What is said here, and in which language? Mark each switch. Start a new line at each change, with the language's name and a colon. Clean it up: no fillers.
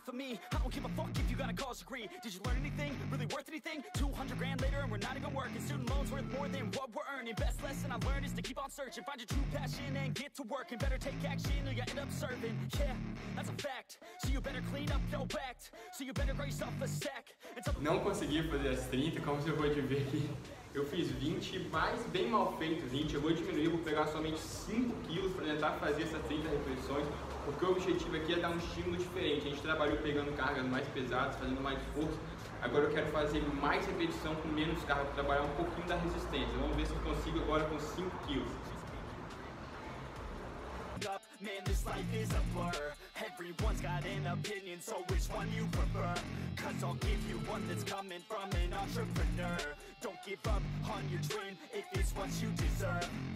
English: I don't give a fuck if you got a college degree. Did you learn anything? Really worth anything? 200 grand later and we're not even working. Student loans worth more than what we're earning. Best lesson I've learned is to keep on searching. Find your true passion and get to work. And better take action or you end up serving. Yeah, that's a fact. So you better clean up your act. So you better grow yourself a sack.
Portuguese: Não consegui fazer as 30, como você pode ver aqui. Eu fiz 20, mas bem mal feito 20. Eu vou diminuir, vou pegar somente 5 quilos para tentar fazer essas 30 repetições. Porque o objetivo aqui é dar um estímulo diferente. A gente trabalhou pegando cargas mais pesadas, fazendo mais força. Agora eu quero fazer mais repetição com menos carga, trabalhar um pouquinho da resistência. Vamos ver se eu consigo agora com 5 quilos.
English: Man, this life is a blur. Everyone's got an opinion, so which one you prefer? Cause I'll give you one that's coming from an entrepreneur. Don't give up on your dream if it's what you deserve.